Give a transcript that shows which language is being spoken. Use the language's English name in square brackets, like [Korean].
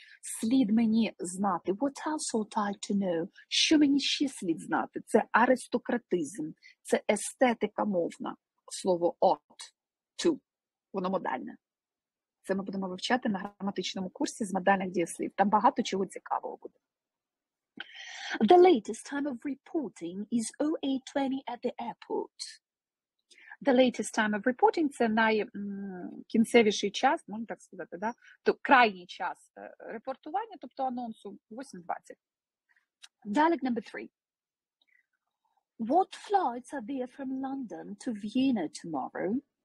[Ukrainian] Слід мені знати. [English] What else ought I to know? [Ukrainian] Що мені ще слід знати? Це аристократизм. Це естетика мовна. Слово ought to. Воно модальне. Це ми будемо вивчати на граматичному курсі з модальних дієслів. Там багато чого цікавого буде. [English] The latest time of reporting is 08:20 at the airport. The latest time of reporting [Ukrainian] – це найкінцевіший час, можна так сказати, да? То крайній час репортування, тобто анонсу 8:20. [English] Dialogue number 3. What flights are there from London to Vienna tomorrow?